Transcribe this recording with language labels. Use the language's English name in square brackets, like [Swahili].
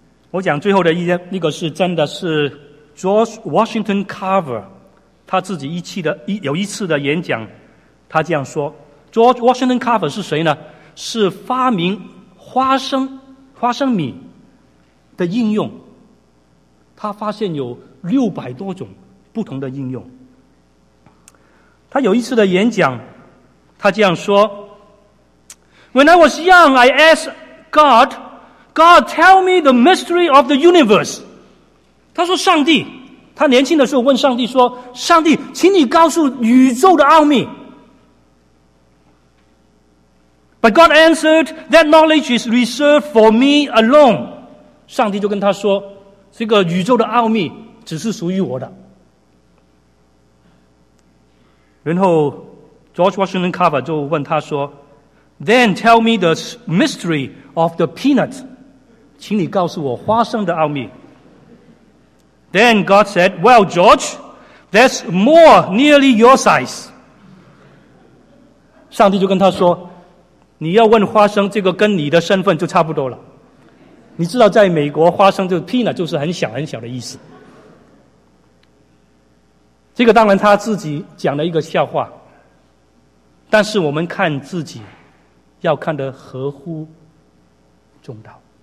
[Chinese] 我讲最后的那个是真的是 George Washington Carver 他自己有一次的演讲，他这样说。 George Washington Carver 是谁呢？是发明花生米的应用，他发现有600多种不同的应用。 [English] 他有一次的演讲，他这样说， When I was young, I asked God, tell me the mystery of the universe. [Chinese] 他说上帝，他年轻的时候问上帝说，上帝，请你告诉宇宙的奥秘。 [English] But God answered, that knowledge is reserved for me alone. [Chinese] 上帝就跟他说，这个宇宙的奥秘只是属于我的。 [English] 然后 George Washington Carver 就问他说， Then tell me the mystery of the peanut. [Chinese] 请你告诉我花生的奥秘。 [English] Then God said, Well, George, that's more nearly your size. [Chinese] 上帝就跟他说，你要问花生，这个跟你的身份就差不多了。你知道在美国花生就 peanut 就是很小很小的意思。这个当然他自己讲了一个笑话，但是我们看自己要看得合乎重道。